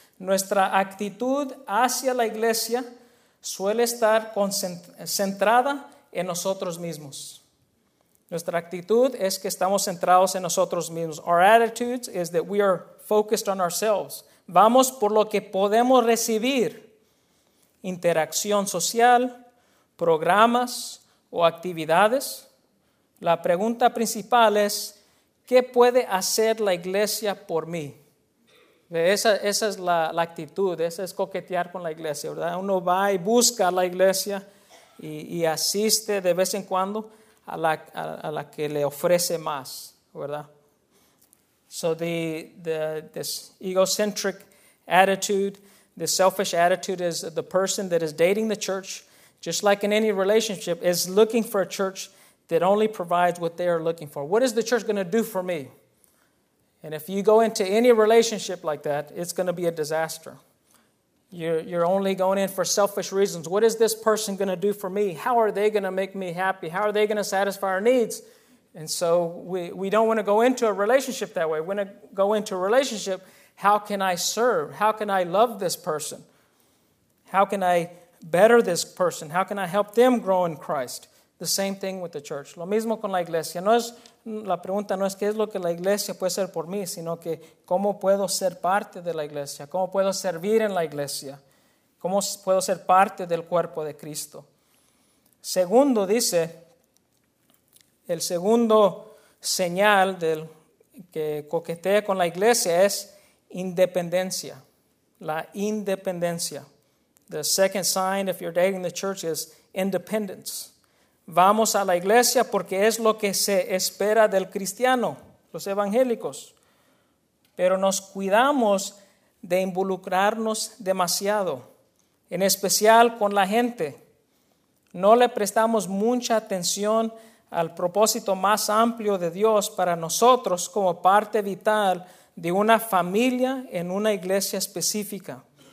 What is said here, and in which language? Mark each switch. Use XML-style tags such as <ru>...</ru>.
<es>Nuestra actitud hacia la iglesia suele estar concentrada en nosotros mismos. Nuestra actitud es que estamos centrados en nosotros mismos.</es> <en>Our attitude is that we are focused on ourselves.</en> <es>Vamos por lo que podemos recibir. Interacción social, programas o actividades. La pregunta principal es, ¿qué puede hacer la iglesia por mí? Esa es la actitud, esa es coquetear con la iglesia, ¿verdad? Uno va y busca a la iglesia y asiste de vez en cuando a la que le ofrece más, ¿verdad?</es> <en>So this egocentric attitude, this selfish attitude is the person that is dating the church, just like in any relationship, is looking for a church that only provides what they are looking for. What is the church going to do for me? And if you go into any relationship like that, it's going to be a disaster. You're only going in for selfish reasons. What is this person going to do for me? How are they going to make me happy? How are they going to satisfy our needs? And so we don't want to go into a relationship that way. We want to go into a relationship, how can I serve? How can I love this person? How can I better this person? How can I help them grow in Christ? The same thing with the church.</en> <es>Lo mismo con la iglesia. La pregunta no es qué es lo que la iglesia puede hacer por mí, sino que cómo puedo ser parte de la iglesia, cómo puedo servir en la iglesia, cómo puedo ser parte del cuerpo de Cristo. Segundo, dice, el segundo señal del que coquetea con la iglesia es independencia. La independencia.</es> <en>The second sign if you're dating the church is independence.</en> <es>Vamos a la iglesia porque es lo que se espera del cristiano, los evangélicos. Pero nos cuidamos de involucrarnos demasiado, en especial con la gente. No le prestamos mucha atención al propósito más amplio de Dios para nosotros como parte vital de una familia en una iglesia específica.</es>